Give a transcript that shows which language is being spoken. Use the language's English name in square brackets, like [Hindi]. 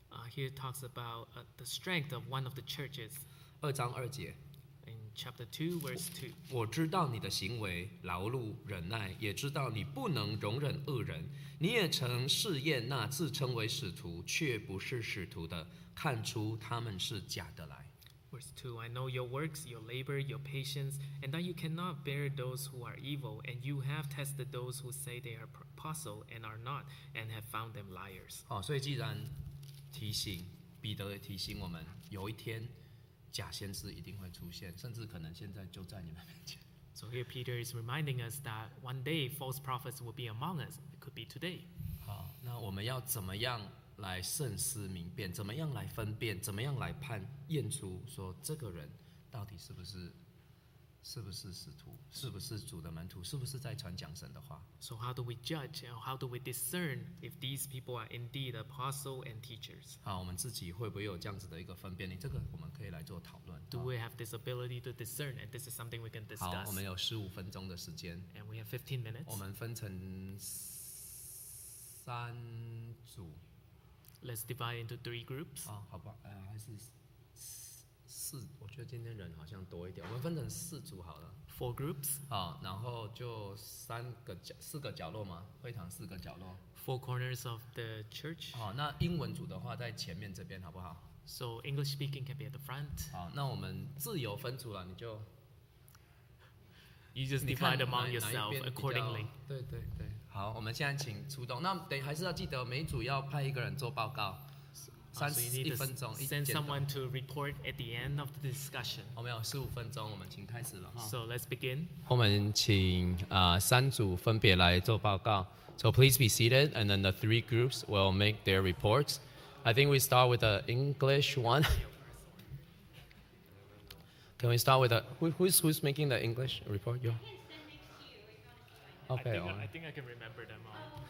[English] Here talks about the strength of one of the churches. [Chinese] 二章二节。 [English] In chapter 2, verse 2. [Chinese] 我知道你的行为，劳碌忍耐，也知道你不能容忍恶人。你也曾试验那自称为使徒，却不是使徒的，看出他们是假的来。 [English] Verse 2, I know your works, your labor, your patience, and that you cannot bear those who are evil, and you have tested those who say they are apostles and are not, and have found them liars. [Chinese] 所以既然提醒，彼得也提醒我们，有一天假先知一定会出现，甚至可能现在就在你们面前。 [English] So here Peter is reminding us that one day false prophets will be among us. It could be today. [Chinese] 那我们要怎么样来慎思明辨，怎么样来分辨，怎么样来判验出说这个人到底是不是使徒，是不是主的门徒，是不是在传讲神的话 [English] ？So how do we judge and how do we discern if these people are indeed apostles and teachers？ [Chinese] 我们自己会不会有这样子的一个分辨力？这个我们可以来做讨论。 [English] Do we have this ability to discern? And this is something we can discuss. [Chinese] 好，我们有十五分钟的时间。 [English] And we have 15 minutes. [Chinese] 我们分成三组。 [English] Let's divide into three groups. [Chinese] 好吧，还是四。我觉得今天人好像多一点。我们分成四组好了。 [English] Four groups. [Chinese] 然后就四个角落嘛，会堂四个角落。 [English] Four corners of the church. [Chinese] 那英文组的话在前面这边，好不好 [English] So English speaking can be at the front. [Chinese] 好，那我们自由分组了，你就。 [English] You just divide among yourself accordingly. [Chinese] 对对对。好，我们现在请出动。那等还是要记得每组要派一个人做报告。 [English] Send someone to report at the end of the discussion. [Chinese] 我们有十五分钟，我们请开始了哈。 [English] So let's begin. [Chinese] 我们请三组分别来做报告。 [English] So please be seated, and then the three groups will make their reports. I think we start with the English one. Can we start with who's making the English report? You. Okay. I think I can remember them all.